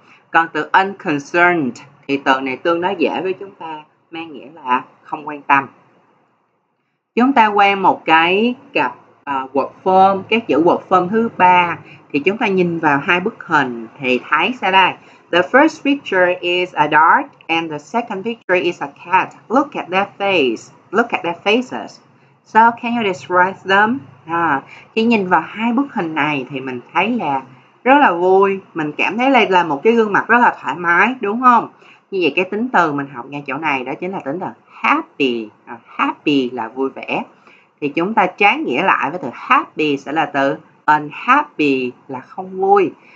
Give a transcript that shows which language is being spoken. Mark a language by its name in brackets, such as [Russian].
[Vietnamese] Còn từ unconcerned thì từ này tương đối dễ với chúng ta, mang nghĩa là không quan tâm. Chúng ta qua một cái cặp word form, các chữ word form thứ ba, thì chúng ta nhìn vào hai bức hình thì thấy sao đây? [English] The first picture is a dog and the second picture is a cat. Look at their face. Look at their faces. So can you describe them? [Vietnamese] Khi nhìn vào hai bức hình này thì mình thấy là rất là vui. Mình cảm thấy là một cái gương mặt rất là thoải mái, đúng không? Như vậy cái tính từ mình học ngay chỗ này đó chính là tính từ happy. Happy là vui vẻ. Thì chúng ta trái nghĩa lại với từ happy sẽ là từ unhappy, là không vui.